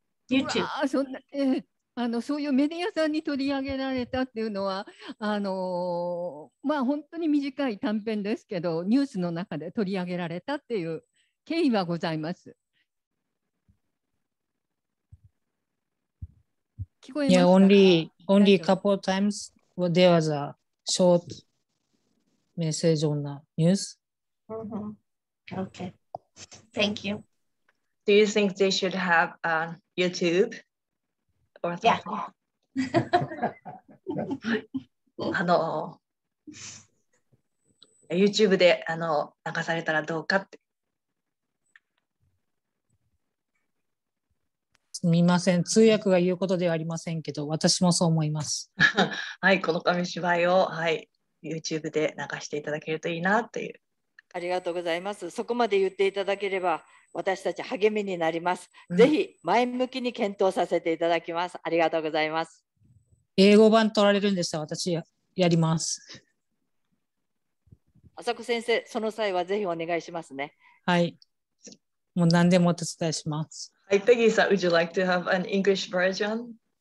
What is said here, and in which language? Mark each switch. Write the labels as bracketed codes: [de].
[en] YouTube. [ja] そんな、そういうメディアさんに取り上げられたっていうのは、本当に短い短編ですけど、ニュースの中で取り上げられたっていう経緯はございます。聞こえますか？ [en] Yeah, only couple of times there was a short message on the news. Okay. Thank you. Do you think they should have a YouTube? or something. Yeah. [ja] あの、YouTube で、あの、流されたらどうかって。すみません。通訳が言うことではありませんけど、私もそう思います。はい、この紙芝居を、はい、YouTube で流していただけるといいなという。ありがとうございます。そこまで言っていただければ、私たち励みになります。ぜひ前向きに検討させていただきます。ありがとうございます。英語版取られるんでしたら私やります。浅子先生、その際はぜひお願いしますね。はい。もう何でもお手伝いします。 [en] Hi, Peggy, so would you like to have an English version?